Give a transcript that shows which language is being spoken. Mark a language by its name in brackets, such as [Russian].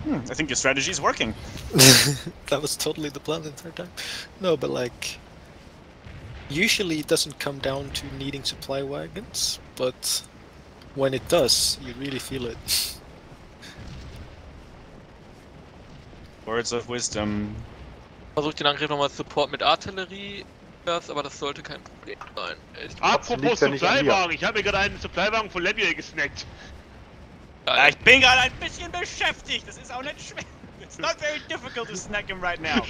[English] I think your strategy is working. That was totally the plan the entire time. No, but like, usually it doesn't come down to needing supply wagons, but when it does, you really feel it. Words of wisdom. [German] Versuch den Angriff nochmal Support mit Artillerie, aber das sollte kein Problem sein. Apropos Supplywagen, ich habe mir gerade einen Supplywagen von Lebier gesnackt. Ich bin gerade ein bisschen beschäftigt, das ist auch nicht schwer. [English] It's not very difficult to snack him right now.